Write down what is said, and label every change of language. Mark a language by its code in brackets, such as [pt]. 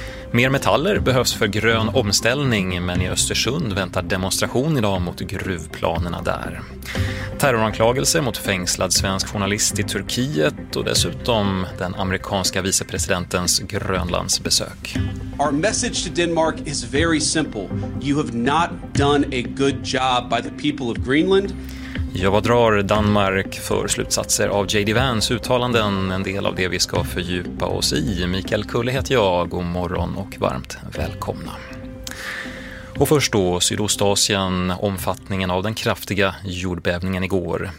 [sv] Mer metaller behövs för grön omställning men i Östersund väntar demonstration idag mot gruvplanerna där. Terroranklagelse mot fängslad svensk journalist i Turkiet och dessutom den amerikanska vicepresidentens Grönlandsbesök. [en] Our message to Denmark is very simple. You have not done a good job by the people of Greenland. [sv] Ja, vad drar Danmark för slutsatser av J.D. Vans uttalanden? En del av det vi ska fördjupa oss i. Mikael Kulle heter jag. God morgon och varmt välkomna. Och först då, Sydostasien, omfattningen av den kraftiga jordbävningen igår.